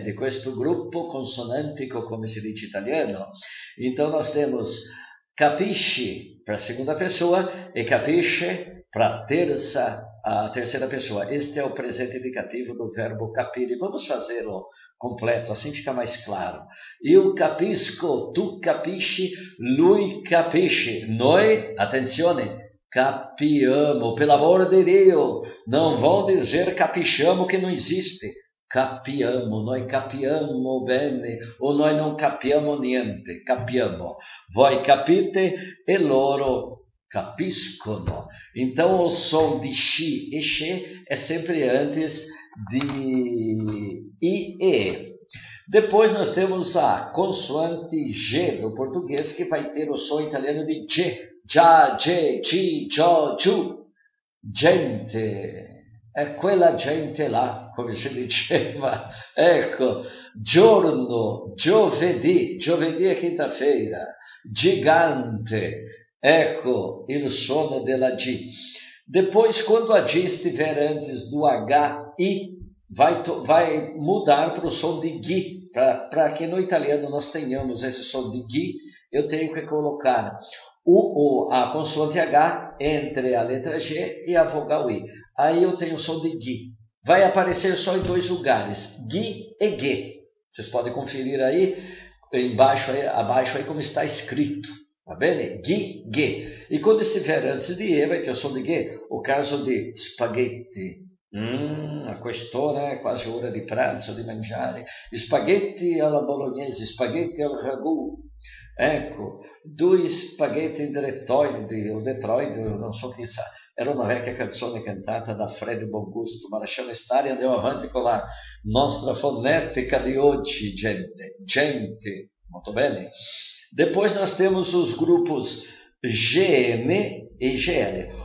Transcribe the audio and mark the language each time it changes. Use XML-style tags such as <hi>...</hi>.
<it>De questo grupo consonantico, come si dice italiano.</it> <pt>Então, nós temos capisci para a segunda pessoa e capisce para a terceira pessoa. Este é o presente indicativo do verbo capire. Vamos fazê-lo completo, assim fica mais claro.</pt> <it>Io capisco, tu capisci, lui capisce. Noi, attenzione, capiamo.</it> <pt>Pelo amor de Deus, não vão dizer capisciamo que não existe.</pt> <it>Capiamo, noi capiamo bene, ou noi non capiamo niente, capiamo. Voi capite e loro capiscono.</it> <pt>Então o som de chi e che é sempre antes de i e. Depois nós temos a consoante g do português que vai ter o som italiano de g.</pt> <it>Già, gi, gi, gio, giu. Gente. È quella gente là, come si diceva. Ecco, giorno, giovedì, giovedì è quinta-feira, gigante. Ecco il suono della G.</it> <pt>Depois, quando a G estiver antes do H, I, vai mudar para o som de G. Para que no italiano nós tenhamos esse som de G, eu tenho que colocar a consoante H entre a letra G e a vogal I. Aí eu tenho o som de gui. Vai aparecer só em dois lugares, gui e gue. Vocês podem conferir aí embaixo, abaixo aí como está escrito. Tá bem? Gui, gue. E quando estiver antes de E, vai ter o som de gue. O caso de spaghetti. Acostou, né? Quase hora de prato, de manjar.</pt> <it>Spaghetti alla bolognese, spaghetti al ragù. Ecco, due spaghetti in Detroit, o Detroit, non so chi sa, era una vecchia canzone cantata da Fred Bongusto, ma lasciamo stare e andiamo avanti con la nostra fonetica di oggi, gente, gente, molto bene.</it> <pt>Depois nós temos os grupos GN e GL.</pt>